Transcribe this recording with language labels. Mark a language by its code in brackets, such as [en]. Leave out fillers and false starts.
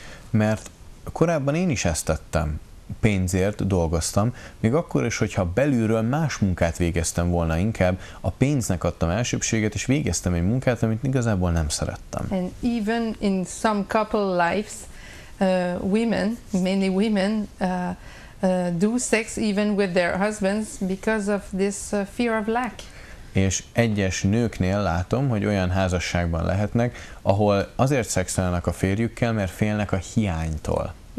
[hu] Mert korábban én is ezt tettem, pénzért dolgoztam, még akkor is, hogyha belülről más munkát végeztem volna inkább, a pénznek adtam elsőbséget, és végeztem egy munkát, amit igazából nem szerettem. [en] And even in some couple lives, women, mainly women, do sex even with their husbands because of this fear of lack. [hu] És egyes nőknél látom, hogy olyan házasságban lehetnek, ahol azért szexelnek a férjükkel, mert félnek a hiánytól.